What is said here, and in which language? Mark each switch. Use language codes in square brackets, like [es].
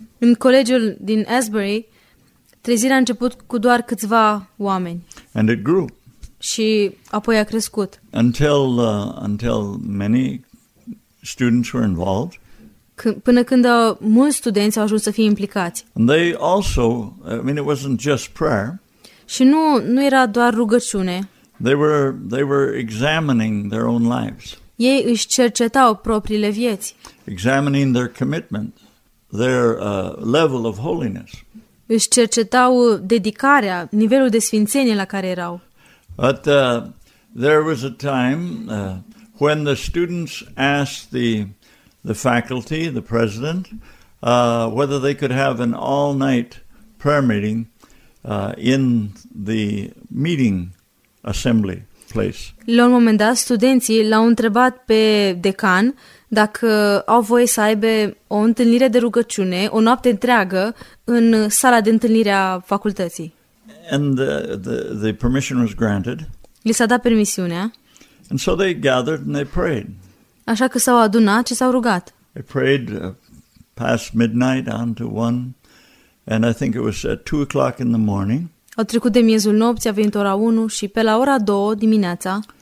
[ro] În colegiul din Asbury, trezirea a început cu doar câțiva oameni. [en] And it grew. [ro] Și apoi a crescut. [en] Until many students were involved. [ro] Până când mulți studenți au ajuns să fie implicați. [en] And they also, I mean, it wasn't just prayer. [ro] Și nu era doar rugăciune. [en] They were examining their own lives. [ro] Ei își cercetau propriile vieți. [en] Examining their commitment, their level of holiness. [ro] Își cercetau dedicarea, nivelul de sfințenie la care erau. [en] But there was a time when the students asked the faculty, the president, whether they could have an all-night prayer meeting in the meeting assembly place. [ro] La un moment dat, studenții l-au întrebat pe decan dacă au voie să aibă o întâlnire de rugăciune, o noapte întreagă, în sala de întâlnire a facultății. [en] And the permission was granted. [ro] Li s-a dat permisiunea. [en] And so they gathered and they prayed. [ro] Așa că s-au adunat și s-au rugat. [en] They prayed past midnight on to 1, and I think it was at 2 o'clock in the morning. [ro] Au trecut de miezul nopții, a venit ora 1 și pe la ora 2 dimineața